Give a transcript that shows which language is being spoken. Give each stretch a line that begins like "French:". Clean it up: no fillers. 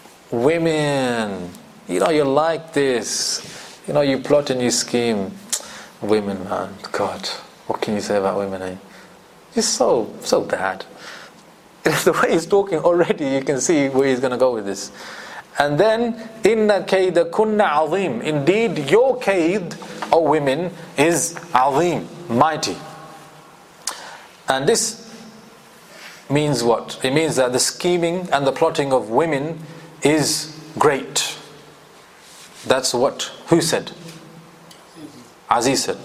English: Women, you know, you're like this. You know, you plot and you scheme. Women, man. God, what can you say about women, eh? You're so, so bad. The way he's talking already, you can see where he's going to go with this. And then,
Arabic: إِنَّ كَيْدَ كُنَّ عَظِيمٌ.
English: Indeed, your kaid, O women, is عظيم, mighty. And this means what? It means that the scheming and the plotting of women is great. That's what, who said? Aziz said.